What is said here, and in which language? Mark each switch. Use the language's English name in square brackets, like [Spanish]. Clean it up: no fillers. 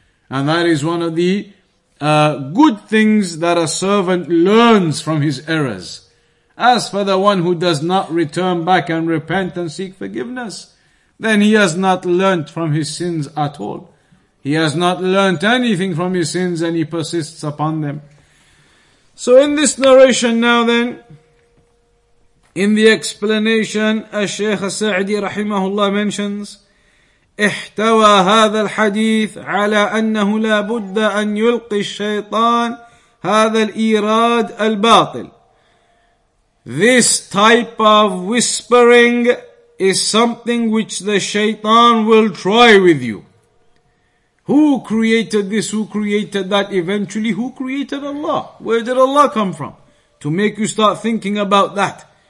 [English] And that is one of the good things that a servant learns from his errors. As for the one who does not return back and repent and seek forgiveness, then he has not learnt from his sins at all. He has not learnt anything from his sins and he persists upon them. So in this narration now then, in the explanation, as Shaykh As-Sa'di rahimahullah mentions, [Arabic] احتوى هذا الحديث على أنه لا بد أن يلقي الشيطان هذا الإيراد الباطل. [English] This type of whispering is something which the shaitan will try with you. Who created this? Who created that? Eventually, who created Allah? Where did Allah come from? To make you start thinking about that.